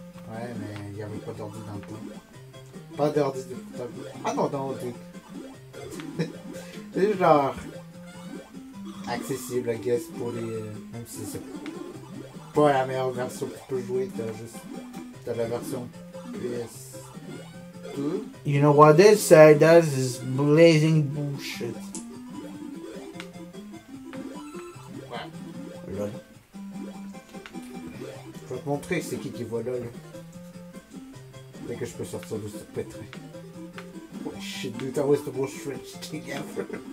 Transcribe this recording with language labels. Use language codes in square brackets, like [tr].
[fr] Ouais mais il n'y avait pas d'ordi dans le coin. Pas d'ordi de portable. Ah non, dans l'ordi. C'est genre accessible, [en] I guess, [fr] pour les... Même si c'est pas la meilleure version que tu peux jouer, t'as juste t'as la version PS2. [en] You know what this side does is blazing bullshit. [fr] Ouais. Lol. Je vais te montrer c'est qui voit lol. Dès que je peux sortir de ce pétrin. [en] Ouais, shit, dude, I was the most strange thing ever.